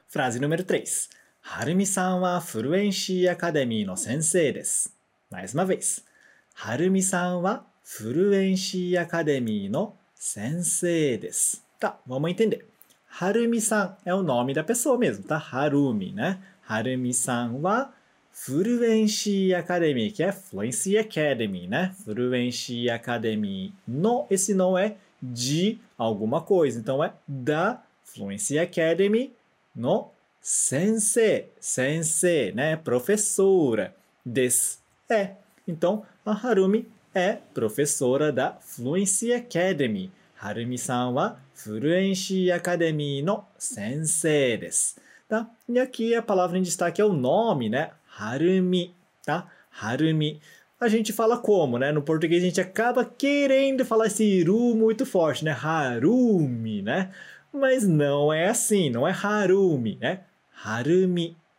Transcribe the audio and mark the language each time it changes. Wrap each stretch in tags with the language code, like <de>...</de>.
<pt>Frase número 3.</pt> <ja>Harumi-san wa Fluency Academy no sensei desu.</ja> <pt>Mais uma vez.</pt> <ja>Harumi-san wa Fluency Academy no sensei desu.</ja> <pt>Tá, vamos entender. Harumi-san é o nome da pessoa mesmo, tá? Harumi, né?</pt> <ja>Harumi-san wa フルエンシーアカデミーけフルエンシーアカデミーね。フルエンシーアカデミーの</ja> <pt>esse não é de alguma coisa. Então é da Fluency Academy</pt> <ja>の先生。先生ね。</ja> <pt>professora です。 É. Então, a Harumi é professora da Fluency Academy.</pt> <ja>Harumi さんは Fluency Academy の先生です。</ja> <pt>Tá? E aqui a palavra em destaque é o nome, né? Harumi, tá? Harumi. A gente fala como, né? No português a gente acaba querendo falar esse iru muito forte, né? Harumi, né? Mas não é assim, não é Harumi, né? Harumi.</pt>